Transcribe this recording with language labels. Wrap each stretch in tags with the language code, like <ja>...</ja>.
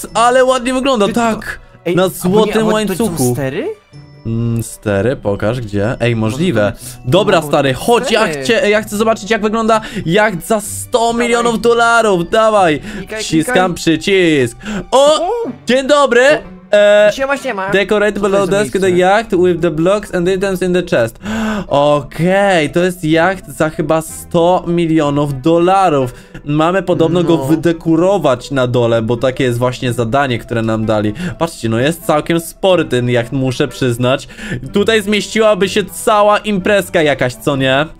<pl>Ale ładnie wygląda, tak. Ej, na złotym łańcuchu. To są stery? Stery, pokaż gdzie. Ej, możliwe. Dobra, stary, chodź, ja chcę zobaczyć, jak wygląda jak za 100 dawaj milionów dolarów. Dawaj, wciskam przycisk. O, dzień dobry. Siema.</pl> <en>Decorate below desk the yacht with the blocks and items in the chest.</en> <pl>Okej, to jest jacht za chyba 100 milionów dolarów. Mamy podobno go wydekorować na dole, bo takie jest właśnie zadanie, które nam dali. Patrzcie, no jest całkiem spory ten jacht, muszę przyznać. Tutaj zmieściłaby się cała imprezka jakaś, co nie?</pl>